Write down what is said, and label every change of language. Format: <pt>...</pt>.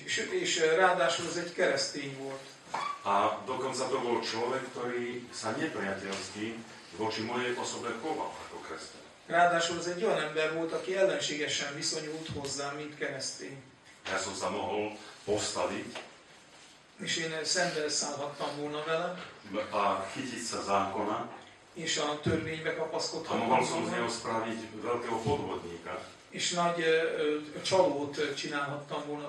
<hu>És ráadásul ez egy keresztény volt.</hu> <sk>A dokonca to bol človek, ktorý sa nepriateľský voči mojej osobe choval ako kresťan.</sk> <hu>Ráadásul ez egy olyan ember volt, aki ellenségesen viszonyult hozzám, mint keresztény.</hu> <sk>Ja som sa mohol postaviť.</sk> <hu>És én szembe szállhattam volna vele.</hu> <sk>A chytiť sa zákona.</sk> <hu>És a törvénybe kapaszkodhatom.</hu> <sk>A mohol som z neho spraviť veľkého podvodníka.</sk> <hu>és nagy csalót csinálhattam volna</hu>